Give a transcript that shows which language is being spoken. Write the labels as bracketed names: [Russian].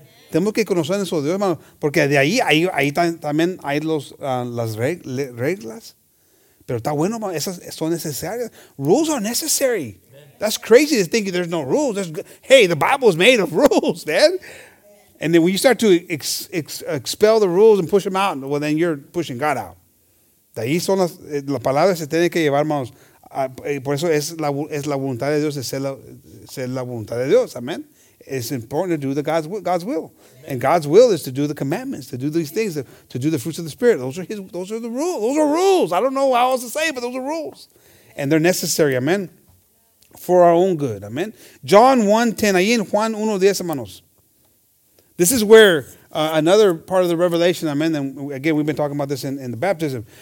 [Spanish] Tenemos que conocer nuestro Dios, hermano. Porque de ahí también hay las reglas. Pero está bueno, esas son necesarias. [English] Rules are necessary. [Spanish] Amen. [English] That's crazy to think there's no rules. Hey, the Bible is made of rules, man. And then when you start to expel the rules and push them out, well, then you're pushing God out. [Spanish] De ahí son las la palabras se tienen que llevar, hermanos. Por eso es la voluntad de Dios, es ser la voluntad de Dios. [English] Amen. It's important to do God's will. And God's will is to do the commandments, to do these things, to do the fruits of the Spirit. Those are the rules. Those are rules. I don't know how else to say, but those are rules. And they're necessary, amen, for our own good, amen. John 1:10, [Spanish] ahí en Juan 1:10, hermanos. [English] This is where another part of the revelation, amen, and again, we've been talking about this in the baptism.